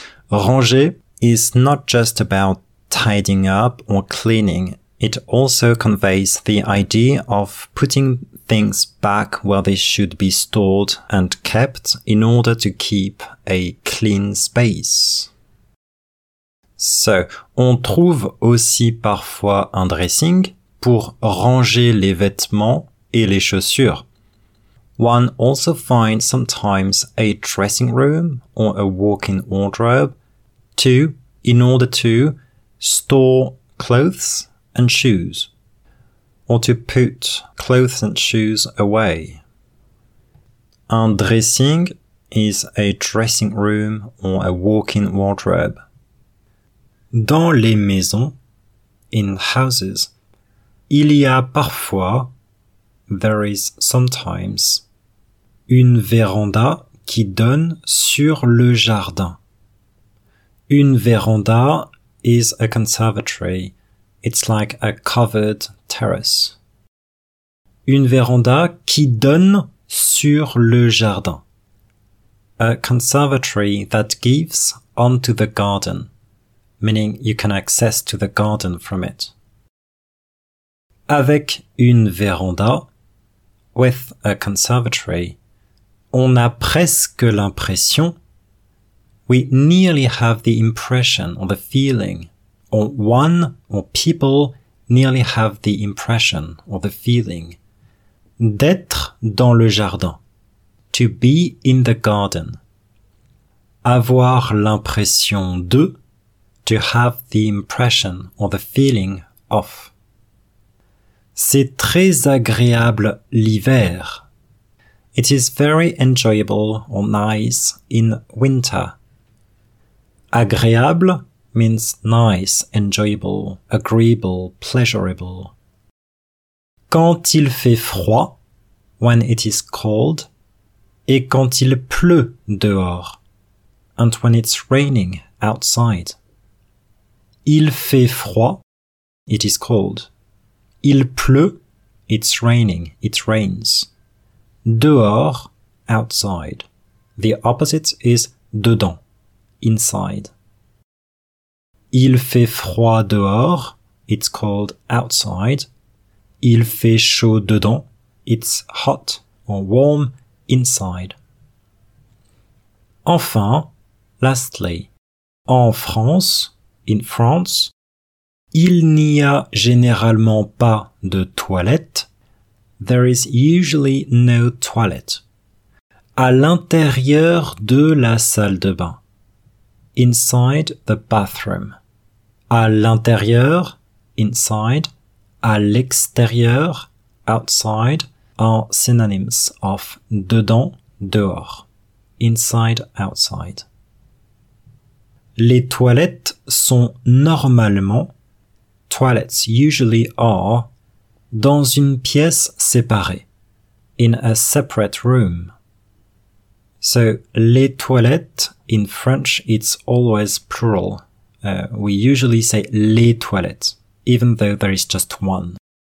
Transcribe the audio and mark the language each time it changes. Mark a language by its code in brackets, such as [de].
[en] Ranger is not just about tidying up or cleaning. It also conveys the idea of putting things back where they should be stored and kept in order to keep a clean space. So, [fr] on trouve aussi parfois un dressing pour ranger les vêtements et les chaussures. [en] One also finds sometimes a dressing room or a walk-in wardrobe in order to store clothes and shoes, or to put clothes and shoes away. [fr] Un dressing [en] is a dressing room or a walk-in wardrobe. [fr] Dans les maisons, [en] in houses, [fr] il y a parfois, [en] there is sometimes, [fr] une véranda qui donne sur le jardin. [en] Une véranda is a conservatory. It's like a covered terrace. [fr] Une véranda qui donne sur le jardin. [en] A conservatory that gives onto the garden, meaning you can access to the garden from it. [fr] Avec une véranda, [en] with a conservatory, [fr] on a presque l'impression, [en] we nearly have the impression or the feeling, or one or people nearly have the impression or the feeling, [fr] d'être dans le jardin, [en] to be in the garden, [fr] avoir l'impression de, [en] to have the impression or the feeling of. [fr] C'est très agréable l'hiver. [en] It is very enjoyable or nice in winter. Agréable means nice, enjoyable, agreeable, pleasurable. [fr] Quand il fait froid, [en] when it is cold, [fr] et quand il pleut dehors, [en] and when it's raining outside. [fr] Il fait froid, [en] it is cold. [fr] Il pleut, [en] it's raining, it rains. Dehors, outside. The opposite is dedans, inside. [fr] Il fait froid dehors, [en] it's cold outside. [fr] Il fait chaud dedans, [en] it's hot or warm inside. [fr] Enfin, [en] lastly, [fr] en France, [en] in France, [fr] il n'y a généralement pas de toilettes. [en] There is usually no toilet. [fr] À l'intérieur de la salle de bain. [en] Inside the bathroom. [fr] À l'intérieur, [en] inside. [fr] À l'extérieur, [en] outside, are synonyms of [fr] dedans, dehors. [en] Inside, outside. [fr] Les toilettes sont normalement, [en] toilets usually are, [fr] dans une pièce séparée, [en] in a separate room. So, [fr] les toilettes, [en] in French, it's always plural. We usually say [fr] les toilettes, [en] even though there is just one.